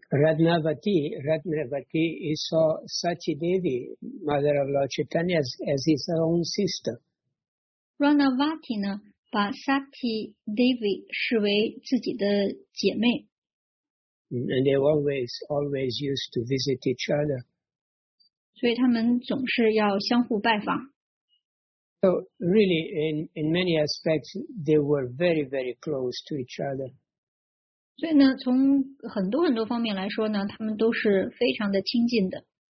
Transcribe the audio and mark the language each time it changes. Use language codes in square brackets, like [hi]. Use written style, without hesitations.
[en] Ratnavati, he saw Sachi Devi, mother of Lord Chaitanya, as his own sister. [zh] Ratnavati 呢，把 Sachi Devi 视为自己的姐妹。 [en] And they always used to visit each other. [zh] 所以他们总是要相互拜访。 [en] So really, in many aspects, they were very, very close to each other. [zh] 所以呢，从很多很多方面来说呢，他们都是非常的亲近的。